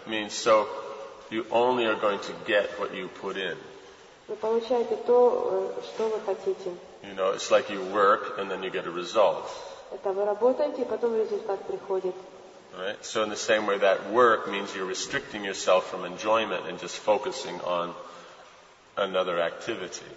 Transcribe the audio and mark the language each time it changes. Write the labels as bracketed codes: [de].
[en] Means so you only are going to get what you put in. [ru] Вы получаете то, что вы хотите. [en] You know, it's like you work and then you get a result. [ru] Это вы работаете, и потом результат приходит. [en] Right? So in the same way, that work means you're restricting yourself from enjoyment and just focusing on another activity.